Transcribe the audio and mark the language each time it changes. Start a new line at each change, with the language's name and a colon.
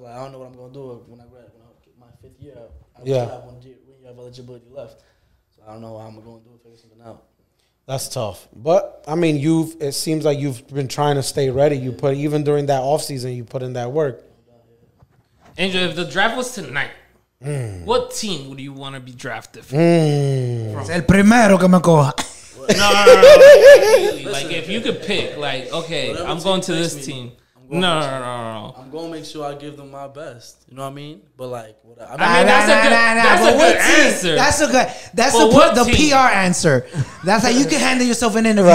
English: Like, I don't know what I'm going to do when I grad. When I get my fifth year, when you have eligibility left. So I don't know how I'm going to do it. Figure something out. That's tough. But, I mean, it seems like you've been trying to stay ready. You put, even during that offseason, you put in that work. Angel, if the draft was tonight, what team would you want to be drafted for?
Spanish: Es el primero que me coja.
English: No. Like, if you could pick, like, okay, I'm going to this team. No. I'm going to make sure I give them my best. You know what I mean? But, like, That's a good answer. The PR answer. That's how you can handle yourself in interviews.